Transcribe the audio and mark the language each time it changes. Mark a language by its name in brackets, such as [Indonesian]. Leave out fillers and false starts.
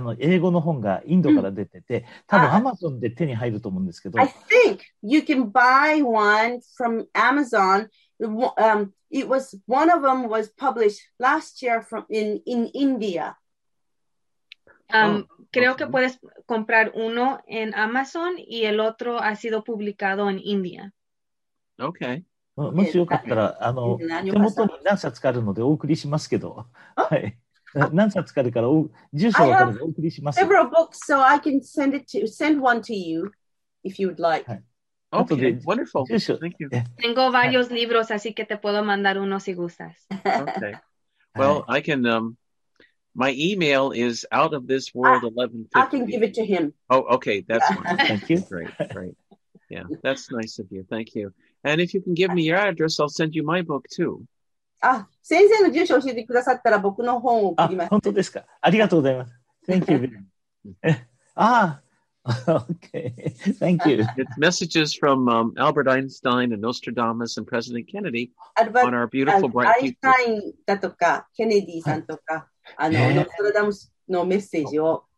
[Japanese] 英語の本がインドから出てて、多分アマゾンで手に入ると思うんですけど。 [English] I think you can buy one from Amazon. It was, one of them was published last year from in India. [Spanish] Creo que puedes comprar uno en Amazon y el otro ha sido publicado en India. [English] Okay. [Japanese] もしよかったら、手元に何冊かあるのでお送りしますけど、何冊かあるから、住所分かるのでお送りします。 [English] I have several books, so I can send one to you if you would like. Okay, wonderful. Thank you. [Spanish] Tengo varios libros, así que te puedo mandar uno si gustas. [English] Okay. Well, I can, my email is outofthisworld1150. I can give it to him. Oh, okay, that's fine. Thank you. Great, great. Yeah, that's nice of you. Thank you. And if you can give me your address, I'll send you my book too. [Japanese] Ah, 先生の住所を教えてくださったら僕の本を送ります。あ、本当ですか。ありがとうございます。 [English] Thank you. Ah, okay. Thank you. It's messages from Albert Einstein and Nostradamus and President Kennedy on our beautiful bright future. [Japanese] アインシュタインだとか、ケネディさんとか、あの、ノストラダムスのメッセージを。